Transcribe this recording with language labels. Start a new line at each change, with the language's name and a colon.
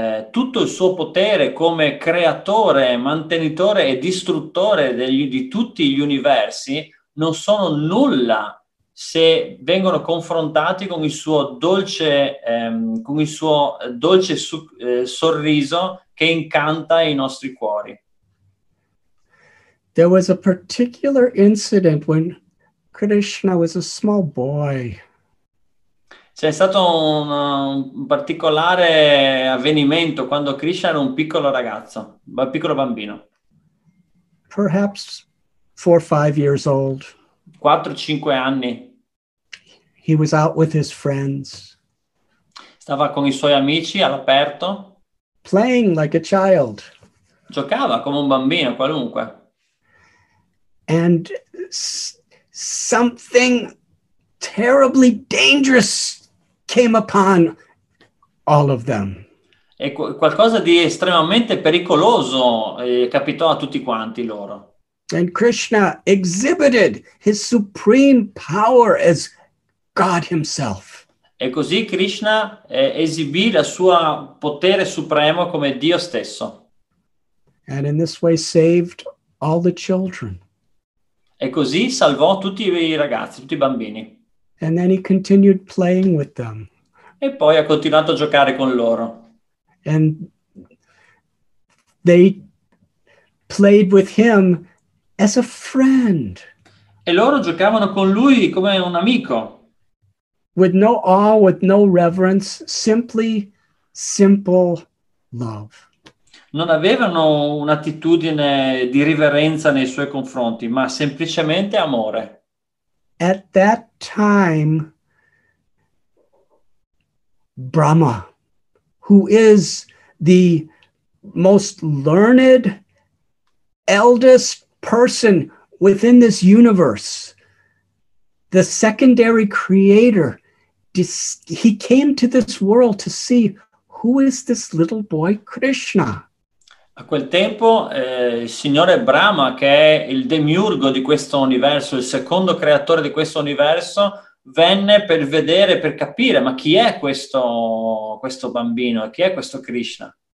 Italian: Tutto il suo potere come creatore, mantenitore e distruttore di tutti gli universi non sono nulla se vengono confrontati con il suo dolce sorriso che incanta i nostri cuori.
English: There was a particular incident when Krishna was a small boy.
Italian: C'è stato un particolare avvenimento quando Krishna era un piccolo ragazzo, un piccolo bambino.
English: Perhaps 4 or 5 years old.
Italian: 4 or 5 anni.
English: He was out with his friends.
Italian: Stava con i suoi amici all'aperto.
English: Playing like a child.
Italian: Giocava come un bambino qualunque.
English: And something terribly dangerous came upon all of them.
Italian: E qualcosa di estremamente pericoloso capitò a tutti quanti loro.
English: And Krishna exhibited his supreme power as God himself.
Italian: E così Krishna esibì la sua potere supremo come Dio stesso.
English: And in this way saved all the children.
Italian: E così salvò tutti i ragazzi, tutti i bambini.
English: And then he continued playing with them.
Italian: E poi ha continuato a giocare con loro.
English: And they played with him as a friend.
Italian: E loro giocavano con lui come un amico.
English: With no awe, with no reverence, simply simple love.
Italian: Non avevano un'attitudine di riverenza nei suoi confronti, ma semplicemente amore.
English: At that time, Brahma, who is the most learned, eldest person within this universe, the secondary creator, he came to this world to see who is this little boy Krishna?
Italian: A quel tempo, il signore Brahma, che è il demiurgo di questo universo, il secondo creatore di questo universo, venne per vedere, per capire, ma chi è questo bambino, chi è questo Krishna?